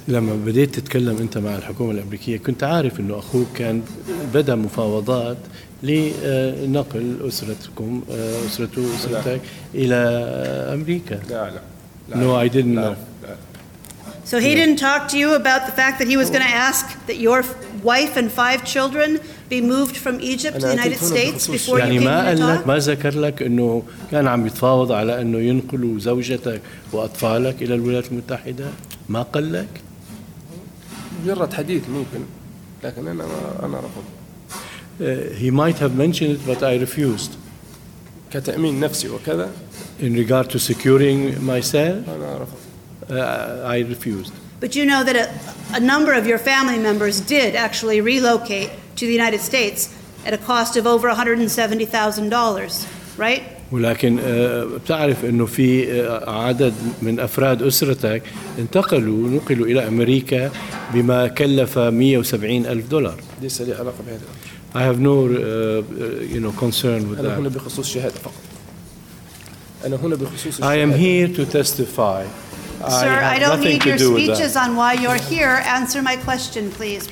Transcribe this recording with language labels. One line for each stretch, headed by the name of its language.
Arabic: لما بديت تتكلم أنت مع الحكومة الأمريكية كنت عارف إنه أخوك كان بدأ مفاوضات لنقل أسرتكم أسرته أسرتك إلى أمريكا. لا.
English: No, I didn't know. So he didn't talk to you about the fact that he was going to ask that your wife and five children be moved from Egypt to the United States before يعني you came to talk?
Arabic: ما ذكر لك إنه كان عم يتفاوض على إنه ينقلوا زوجتك وأطفالك إلى الولايات المتحدة؟ ما قال لك؟ مجرد حديث ممكن، لكن أنا رفض.
English: He might have mentioned it, but I refused.
Arabic: كتأمين نفسي وكذا.
English: In regard to securing myself.
Arabic: أنا رفض.
English: I refused. But you know that a number of your family members did actually relocate to the United States at a cost of over $170,000, right?
Arabic: ولكن بتعرف إنه في عدد من أفراد أسرتك انتقلوا نقلوا إلى أمريكا بما كلف $170,000. ليس لي علاقة بهذا.
English: I have no concern with that.
Arabic: أنا هنا بخصوص شهادة فقط. أنا هنا بخصوص.
English: I am here to testify. Sir, I don't need your speeches on why you're here. Answer my question, please.